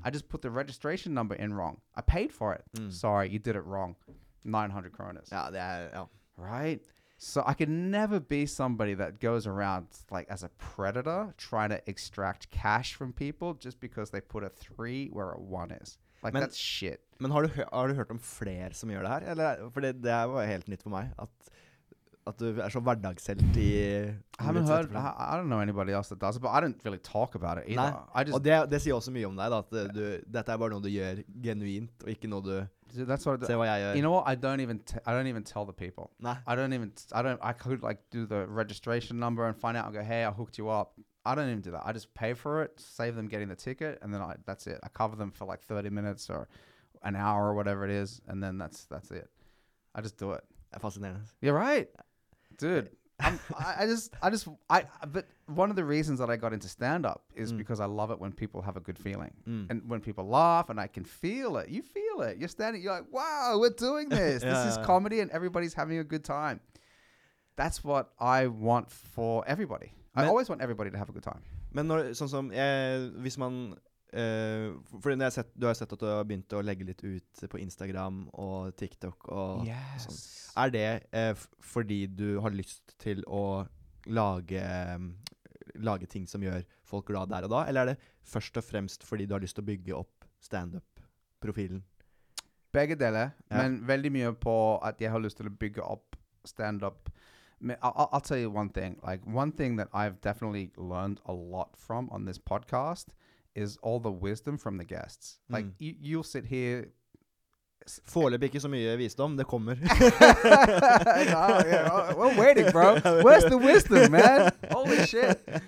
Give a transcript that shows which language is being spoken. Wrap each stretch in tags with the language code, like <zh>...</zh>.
<en>I just put the registration number in wrong. I paid for it. Mm. Sorry, you did it wrong. 900 kronas. Right? So I could never be somebody that goes around like as a predator trying to extract cash from people just because they put a 3 where a 1 is. Like, that's shit.</en> <no>Men har du hørt om flere som gjør det her? Eller, for det var helt nytt for meg, at du så hverdagshelt i...</no> <en>I don't know anybody else that does it, but I don't really talk about it either.</en> <no>Nei, og det sier også mye om deg, da, at dette er bare noe du gjør genuint, og ikke noe du...</no> <en>Dude, that's what you know what? I don't even tell the people. Nah. I could like do the registration number and find out and go, hey, I hooked you up. I don't even do that. I just pay for it, save them getting the ticket, and then that's it. I cover them for like 30 minutes or an hour or whatever it is, and then that's it. I just do it. Fascinating. You're right. Dude. But one of the reasons that I got into stand-up is because I love it when people have a good feeling. Mm. And when people laugh and I can feel it. You feel it. You're standing, you're like, wow, we're doing this. This is comedy and everybody's having a good time. That's what I want for everybody. Men, I always want everybody to have a good time.</en> <no>Men når, sånn som, hvis man, for når jeg sett, du har sett at du har begynt å legge litt ut på Instagram og TikTok og sånn. Fordi du har lyst til å lage ting som gjør folk glad der og da, eller er det først og fremst fordi du har lyst til å bygge opp stand-up-profilen? Begge deler, men veldig mye på at jeg har lyst til å bygge opp stand-up.</no> <en>I'll tell you one thing. Like, one thing that I've definitely learned a lot from on this podcast is all the wisdom from the guests. Like, you'll sit here</en> <no>Foreløpig ikke så mye visdom, det kommer.</no> <en>We're waiting, bro. Where's the wisdom, man? Holy shit.</en>